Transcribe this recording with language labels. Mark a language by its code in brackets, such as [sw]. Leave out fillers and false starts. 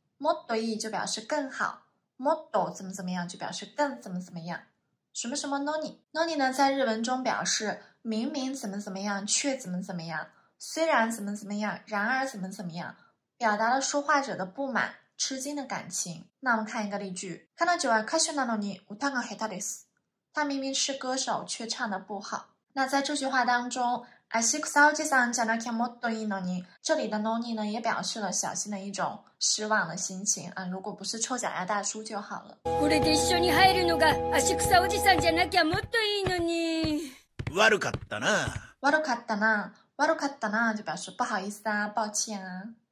[ja] もっといい [zh] 就表示更好，もっと怎么怎么样就表示更怎么怎么样，什么什么のに。のに呢，在日文中表示明明怎么怎么样，却怎么怎么样，虽然怎么怎么样，然而怎么怎么样，表达了说话者的不满、吃惊的感情。那我们看一个例句： [ja] 彼女は歌手なのに歌が下手です。 [zh] 她明明是歌手，却唱得不好。那在这句话当中， [ja] 足臭おじさんじゃなきゃもっといいのに。 [zh] 这里的のに呢，也表示了小新的一种失望的心情啊。如果不是臭脚丫大叔就好了。 [ja] これで一緒に入るのが足臭おじさんじゃなきゃもっといいのに。悪かったな。悪かったな。悪かったな。 [zh] 就表示不好意思啊，抱歉啊。